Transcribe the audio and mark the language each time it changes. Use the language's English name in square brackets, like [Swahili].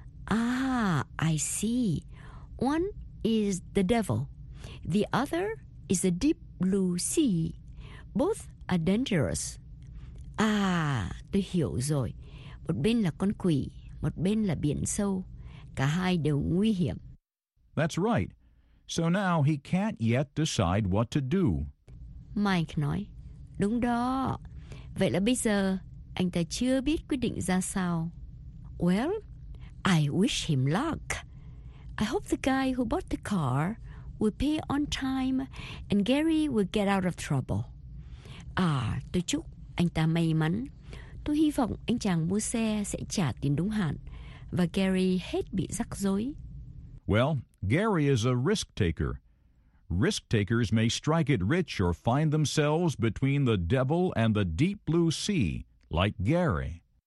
[English] Ah, I see. One is the devil. The other is the deep blue sea. Both are dangerous. [Vietnamese] Ah, tôi hiểu rồi. Một bên là con quỷ, một bên là biển sâu. Cả hai đều nguy hiểm. [English] That's right. So now he can't yet decide what to do. [Vietnamese] Mike nói, đúng đó. Vậy là bây giờ anh ta chưa biết quyết định ra sao. [English] Well, I wish him luck. I hope the guy who bought the car will pay on time and Gary will get out of trouble. [Vietnamese] Tôi chúc anh ta may mắn. Tôi hy vọng anh chàng mua xe sẽ trả tiền đúng hạn và Gary hết bị rắc rối. [English] Well, Gary is a risk taker. Risk takers may strike it rich or find themselves between the devil and the deep blue sea, like Gary.